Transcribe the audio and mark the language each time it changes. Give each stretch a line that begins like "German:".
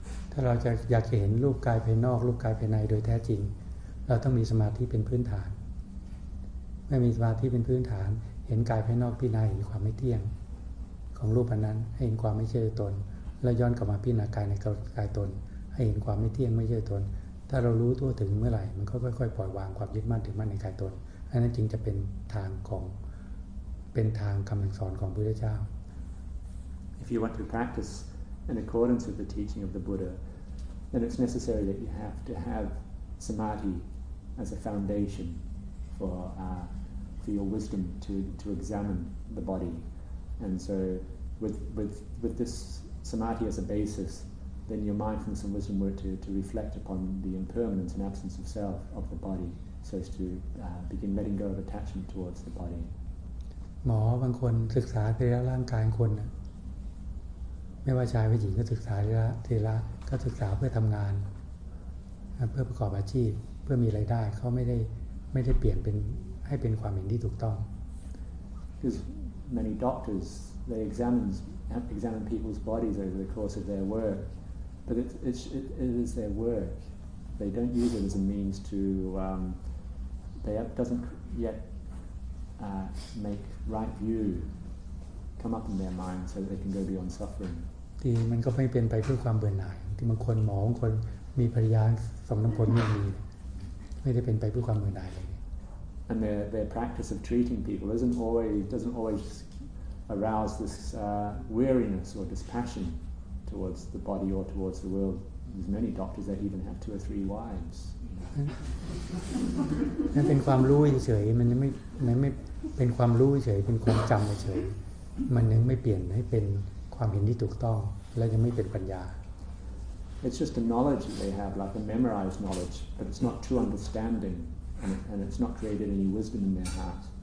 Thai: ถ้าเราจะอยากจะเห็นรูปกายภายนอกรูปกายภายในโดยแท้จริงเราต้องมีสมาธิเป็นพื้นฐานไม่มีสมาธิเป็นพื้นฐานเห็นกายภายนอกพิจารณาเห็นความไม่เที่ยงของรูปนั้นให้เห็นความไม่ใช่ตนแล้วย้อนกลับมาพิจารณากายในกายตนให้เห็นความไม่เที่ยงไม่ใช่ตนถ้าเรารู้ตัวถึงเมื่อไหร่มันก็ค่อยๆปล่อยวางความยึดมั่นถือมั่นในกายตนอันนั้นจึงจะเป็นทางคำสอนของพุทธเจ้า
English: If you want to practice in accordance with the teaching of the BuddhaThen it's necessary that you have to have samadhi as a foundation for your wisdom to examine the body, and so with this samadhi as a basis, then your mindfulness and wisdom were to reflect upon the impermanence and absence of self of the body, so as to begin letting go of attachment towards the body.
Thai: หมอบางคนศึกษาที่ละร่างกายคนไม่ว่าชายหรือหญิงก็ศึกษาที่ละก็ศึกษาเพื่อทำงานเพื่อประกอบอาชีพเพื่อมีรายได้เขาไม่ได้เปลี่ยนเป็นให้เป็นความเห็นที่ถูกต้อง
English: Because many doctors they examine people's bodies over the course of their work but it is their work they don't use it as a means to they doesn't yet make right view come up in their mind so that they can go beyond suffering
Thai: ที่มันก็ไม่เป็นไปเพื่อความเบื่อหน่ายที่บางคนหมอบางคนมีภรรยาสองน้ำพลไม่มีไม่ได้เป็นไปเพื่อความเบื่อหน่ายเลย
English: And their practice of treating people doesn't always arouse this weariness or dispassion towards the body or towards the world. There's many doctors that even have two or three wives.
Thai: นั่นเป็นความรู้เฉยๆมันไม่เป็นความรู้เฉยเป็นความจำเฉยๆมันยังไม่เปลี่ยนให้เป็นความเห็นที่ถูกต้องและยังไม่เป็นปัญญา
English: It's just a knowledge that they have, like a memorized knowledge, but it's not true understanding, and it's not created any wisdom in their heart.